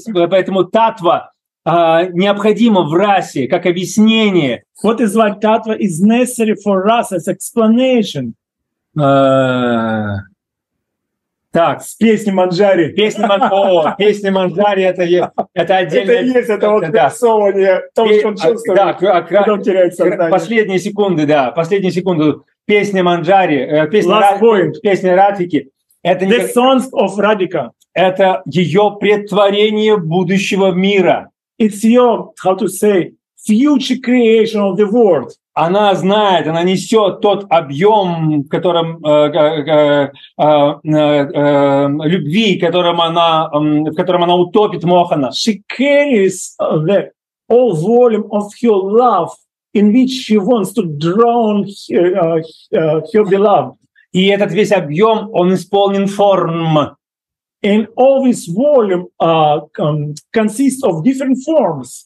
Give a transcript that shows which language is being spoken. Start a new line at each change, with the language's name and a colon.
Russian: поэтому Татва необходимо в расе как объяснение.
English: What is like tattva is necessary for rasa as explanation.
Russian: Так, с песни Манджари. Песни Манджари это отдельное. Это есть, это вот рисование, то, что он чувствует. Потом теряет сознание. Последние секунды. Песни Манджари, песни Радхики. Это
English: the songs of Radhika.
Russian: Это ее предтворение будущего мира.
English: It's your, how to say, future creation of the world.
Russian: Она знает, она несет тот объем, которым любви, в котором она утопит Мохана.
English: She carries the all volume of her love in which she wants to drown her beloved.
Russian: И этот весь объем, он исполнен форм.
English: And all this volume consists of different forms.